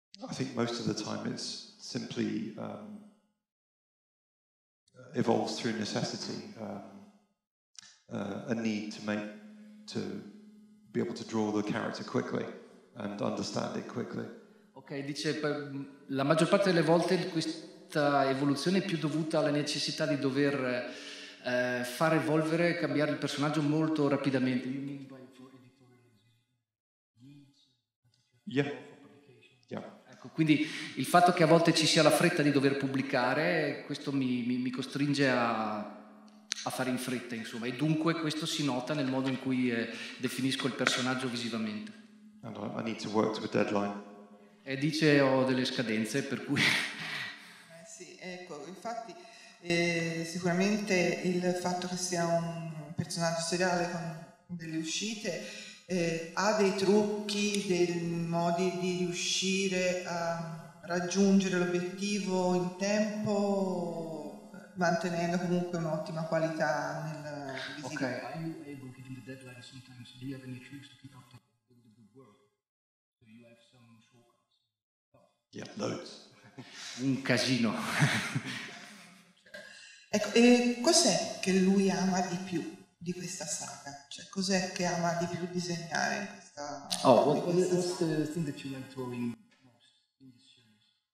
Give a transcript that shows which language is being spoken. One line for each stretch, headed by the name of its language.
English: I think most of the time it's simply evolves through necessity, a need to be able to draw the character quickly and understand it quickly.
Italian: Ok, dice la maggior parte delle volte questa evoluzione è più dovuta alla necessità di dover far evolvere e cambiare il personaggio molto rapidamente.
English: You mean by editorial? Yeah.
Italian: Quindi il fatto che a volte ci sia la fretta di dover pubblicare, questo mi costringe a fare in fretta, insomma. E dunque questo si nota nel modo in cui definisco il personaggio visivamente.
English: I need to work to a deadline.
Italian: E dice ho delle scadenze, per cui... sì, ecco, infatti sicuramente il fatto che sia un personaggio seriale con delle uscite... ha dei trucchi, dei modi di riuscire a raggiungere l'obiettivo in tempo mantenendo comunque un'ottima qualità nel visivo.
English: Ok, are you able to give the deadline sometimes? Do you have any tricks to keep up the good work? Do you have some shortcuts? Oh. Yeah, loads.
Italian: Un casino. Ecco, e cos'è che lui ama di più di questa saga? Cioè, cos'è che ama di più disegnare in questa...
English: Oh, what's the thing that you like drawing most in this series?